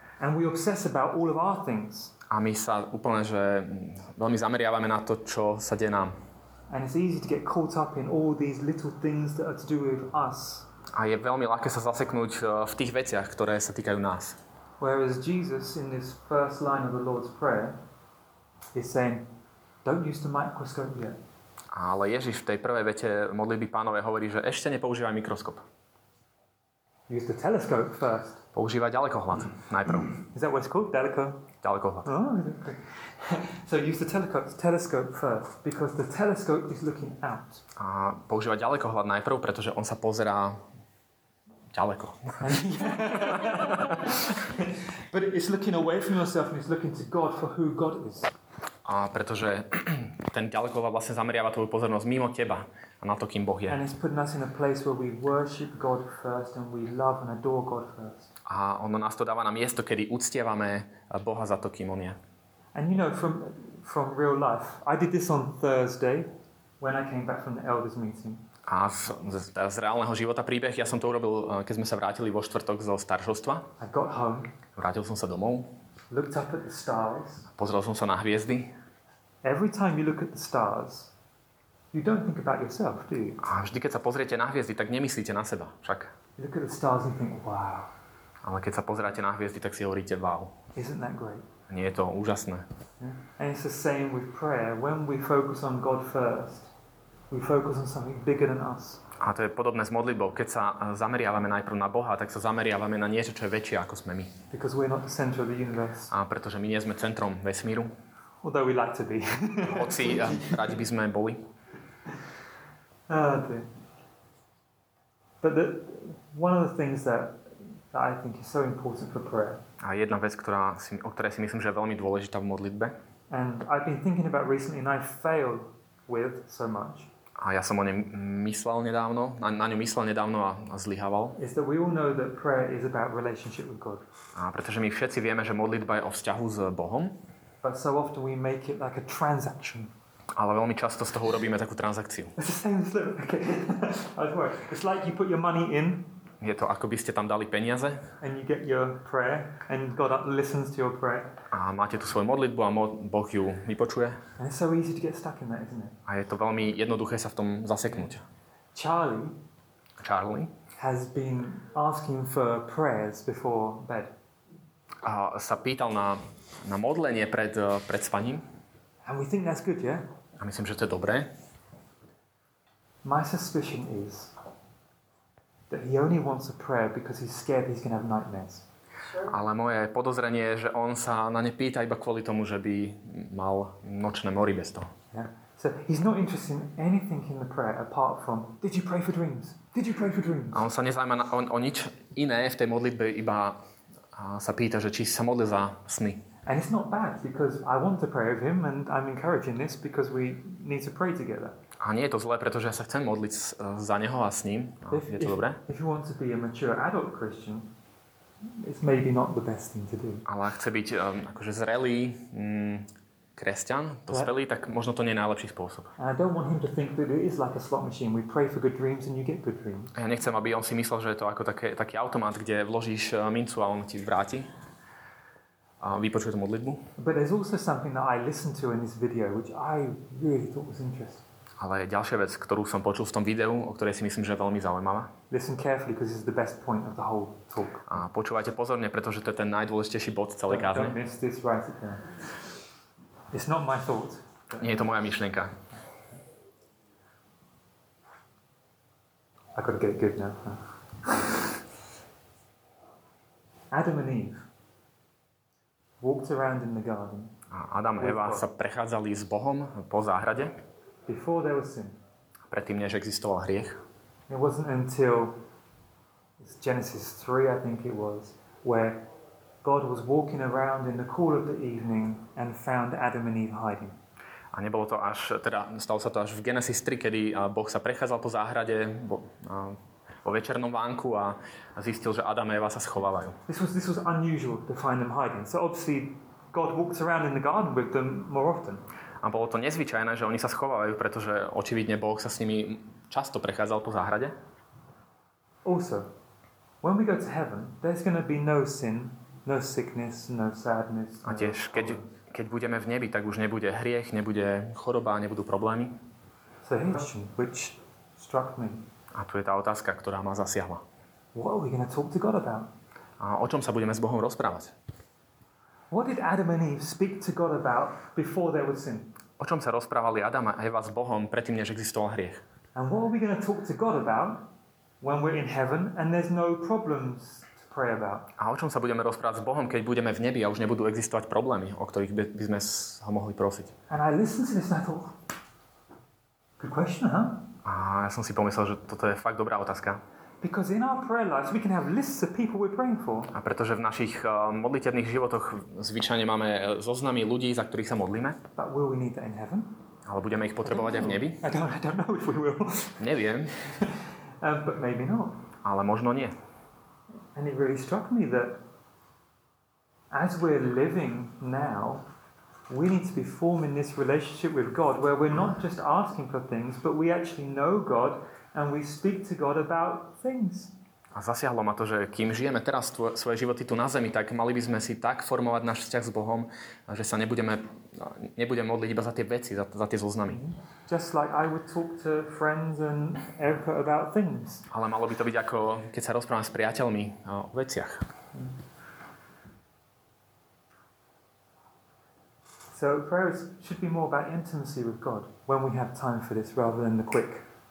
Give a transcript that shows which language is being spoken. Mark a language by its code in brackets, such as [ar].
[en] And we obsess about all of our things. [sk] A my sa úplne, že veľmi zameriavame na to, čo sa deje nám. [en] And it's easy to get caught up in all these little things that are to do with us. [sk] A je veľmi ľahké sa zaseknúť v tých veciach, ktoré sa týkajú nás. [en] Whereas Jesus in this first line of the Lord's Prayer is saying, don't use the microscope yet. [sk] Ale Ježiš v tej prvej vete modlitby Pánovej hovorí, že ešte nepoužívaj mikroskop. [en] Use the telescope first. [sk] Používaj ďalekohľad najprv. [en] Is that what it's called? Daleko? [sk] Ďalekohľad. [en] Oh, okay. So use the telescope first, because the telescope is looking out. [sk] A používaj ďalekohľad najprv, pretože on sa pozerá ďaleko. [en] But it's looking away from yourself and it's looking to God for who God is. [sk] A pretože ten ďalekohľad vlastne zameriava tvoju pozornosť mimo teba a na to, kým Boh je. [en] And it's putting us in a place where we worship God first and we love and adore God first. [sk] A ono nás to dáva na miesto, kedy uctievame Boha za to, kým on je. [en] And you know, from real life, I did this on Thursday when I came back from the elders meeting. [sk] A z reálneho života príbeh, ja som to urobil, keď sme sa vrátili vo štvrtok zo staršovstva. [en] I got home. [sk] Vrátil som sa domov. [en] Looked up at the stars. [sk] Pozrel som sa na hviezdy. [en] Every time you look at the stars, you don't think about yourself, do you? [sk] A vždy, keď sa pozriete na hviezdy, tak nemyslíte na seba, však. [en] You look at the stars and think, wow. [sk] Ale keď sa pozeráte na hviezdy, tak si hovoríte, wow. [en] Isn't that great? [sk] Nie je to úžasné. [en] Yeah. And it's the same with prayer. When we focus on God first, we focus on something bigger than us. [sk] A to je podobné s modlitbou. Keď sa zameriavame najprv na Boha, tak sa zameriavame na niečo, čo je väčšie ako sme my. [en] Because we're not the center of the universe. [sk] A pretože my nie sme centrom vesmíru. [en] Although we like to be. [sk] Hoci radi by sme boli. [en] But one of the things that I think is so important for prayer. [sk] A jedna vec, o ktorej si myslím, že je veľmi dôležitá v modlitbe. [en] And I've been thinking about recently and I failed with so much. [sk] A ja som o ňom myslel nedávno, na ňom myslel nedávno a zlyhával. [en] Is that we all know that prayer is about relationship with God. [sk] A pretože my všetci vieme, že modlitba je o vzťahu s Bohom. [en] But so often we make it like a transaction. [sk] Ale veľmi často z toho urobíme takú transakciu. [en] It's the same as little, okay. I swear. It's like you put your money in. [sk] Je to, ako by ste tam dali peniaze. [en] And you get your prayer and God listens to your prayer. [sk] A máte tu svoju modlitbu a Boh ju vypočuje. [en] And it's so easy to get stuck in that, isn't it? [sk] A je to veľmi jednoduché sa v tom zaseknúť. [en] Charlie has been asking for prayers before bed. [sk] A sa pýtal na modlenie pred spaním. [en] And we think that's good, yeah? [sk] A myslím, že to je dobré. [en] My suspicion is that he only wants a prayer because he's scared he's going to have nightmares. [sk] Ale moje podozrenie je, že on sa na ne pýta iba kvôli tomu, že by mal nočné mory bez toho. [en] Yeah. So he's not interested in anything in the prayer apart from did you pray for dreams? Did you pray for dreams? [sk] A on sa nezaujíma o nič iné v tej modlitbe, iba sa pýta, že či sa modlil za sny. [en] And it's not bad because I want to pray with him and I'm encouraging this because we need to pray together. [sk] A nie je to zlé, pretože ja sa chcem modliť za neho a s ním. No, [en] if, [sk] je to dobré. [en] If you want to be a mature adult Christian, it's maybe not the best thing to do. [sk] Ale chce byť akože zrelý kresťan, dospelý, tak možno to nie je najlepší spôsob. [en] I don't want him to think that it is like a slot machine. We pray for good dreams and you get good dreams. [sk] Ja nechcem, aby on si myslel, že je to ako taký automat, kde vložíš mincu a on ti vráti. A vypočuje tú modlitbu. [en] But there's also something that I listened to in this video, which I really thought was interesting. [sk] Ale ďalšia vec, ktorú som počul v tom videu, o ktorej si myslím, že je veľmi zaujímavá. [en] Listen carefully, because this is the best point of the whole talk. [sk] A počúvajte pozorne, pretože to je ten najdôležitejší bod celej kázne. [en] Don't miss this right again. It's not my thought. [sk] Nie je to moja myšlienka. [en] I gotta get good now. Adam and Eve walked around in the garden. [sk] Adam a Eva sa prechádzali s Bohom po záhrade. [en] Before there was sin. [sk] Predtým, než existoval hriech. [en] It wasn't until Genesis 3, I think it was, where God was walking around in the cool of the evening and found Adam and Eve hiding. [sk] A nebolo to až, teda stalo sa to až v Genesis 3, kedy Boh sa prechádzal po záhrade po večernom vánku a zistil, že Adam a Eva sa schovávajú. [en] This was unusual to find them hiding. So obviously God walks around in the garden with them more often. [sk] A bolo to nezvyčajné, že oni sa schovávajú, pretože očividne Boh sa s nimi často prechádzal po záhrade. [en] Also, when we go to heaven, there's going to be no sin, no sickness, no sadness. [sk] A tiež, keď budeme v nebi, tak už nebude hriech, nebude choroba, nebudú problémy. [en] So here's a question which struck me. [sk] A tu je tá otázka, ktorá ma zasiahla. [en] What are we going to talk to God about? [sk] A o čom sa budeme s Bohom rozprávať? [en] What did Adam and Eve speak to God about before there was sin? [sk] O čom sa rozprávali Adam a Eva s Bohom predtým, než existoval hriech? [en] And what are we going to talk to God about when we're in heaven and there's no problems to pray about? [sk] A o čom sa budeme rozprávať s Bohom, keď budeme v nebi a už nebudú existovať problémy, o ktorých by sme ho mohli prosiť? [en] And I listened to this and I thought, good question, huh? [sk] A ja som si pomyslel, že toto je fakt dobrá otázka. [en] Because in our prayer lives we can have lists of people we're praying for. [sk] A pretože v našich modlitebných životoch zvyčajne máme zoznamy ľudí, za ktorých sa modlíme. [en] But will we need that in heaven? [sk] Ale budeme ich potrebovať aj v nebi? [en] I don't know if we will. [sk] Neviem. [en] But maybe not. [sk] Ale možno nie. [en] And it really struck me that as we're living now, we need to be forming this relationship with God where we're not just asking for things, but we actually know God and we speak to God about things. [sk] A zasiahlo ma to, že kým žijeme teraz svoje životy tu na zemi, tak mali by sme si tak formovať náš vzťah s Bohom, že sa nebudeme modliť iba za tie veci, za tie zoznamy. [en] Just like I would talk to friends and Erica about things. [sk] Ale malo by to byť ako keď sa rozprávam s priateľmi o veciach. [en] So prayers should be more about intimacy with God when we have time for this rather than the quick.